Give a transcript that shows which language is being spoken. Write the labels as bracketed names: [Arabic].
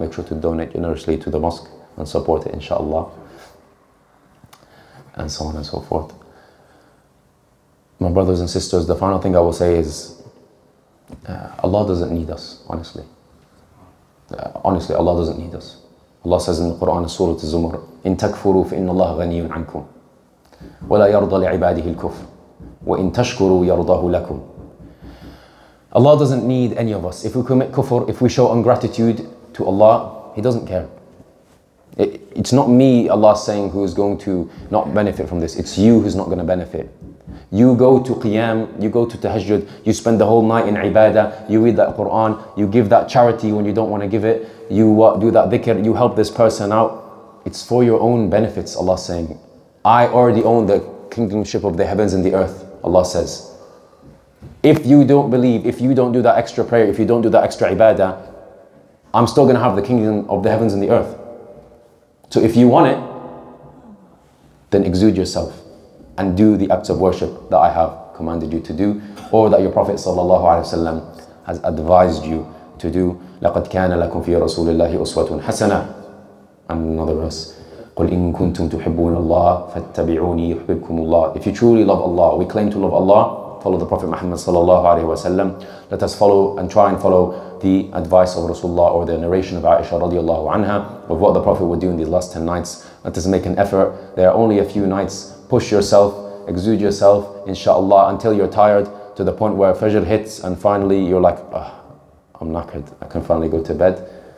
[English] Make sure to donate generously to the mosque and support it, inshaAllah. And so on and so forth. My brothers and sisters, the final thing I will say is, Allah doesn't need us, honestly. Honestly, Allah doesn't need us. Allah says in the Quran, Surah Az-Zumar, [Arabic] إِن تَكْفُرُوا فَإِنَّ اللَّهَ غَنِيٌّ عَنْكُمْ وَلَا يَرْضَ لِعِبَادِهِ الْكُفْرِ وَإِن تَشْكُرُوا يَرْضَهُ لَكُمْ. [English] Allah doesn't need any of us. If we commit kufr, if we show ungratitude to Allah, He doesn't care. It's not me, Allah is saying, who is going to not benefit from this. It's you who's not going to benefit. You go to Qiyam, you go to Tahajjud, you spend the whole night in Ibadah, you read that Quran, you give that charity when you don't want to give it, you do that dhikr, you help this person out. It's for your own benefits, Allah is saying. I already own the kingdomship of the heavens and the earth, Allah says. If you don't believe, if you don't do that extra prayer, if you don't do that extra Ibadah, I'm still going to have the kingdom of the heavens and the earth. So if you want it, then exude yourself and do the acts of worship that I have commanded you to do, or that your Prophet sallallahu alaihi wasallam has advised you to do. [Arabic] لَقَدْ كَانَ لَكُمْ فِي رَسُولِ اللَّهِ أُسْوَةٌ حَسَنَةٌ. [English] And another verse, [Arabic] قُلْ إِن كُنْتُمْ تُحِبُّونَ اللَّهَ فَاتَّبِعُونِي يُحْبِبْكُمُ اللَّهُ. [English] If you truly love Allah, we claim to love Allah, follow the Prophet Muhammad sallallahu alaihi wasallam. Let us follow and try and follow the advice of Rasulullah, or the narration of Aisha radiallahu anha, of what the Prophet would do in these last 10 nights. Let us make an effort. There are only a few nights. Push yourself, exude yourself, inshallah, until you're tired, to the point where Fajr hits and finally you're like, oh, I'm knackered, I can finally go to bed.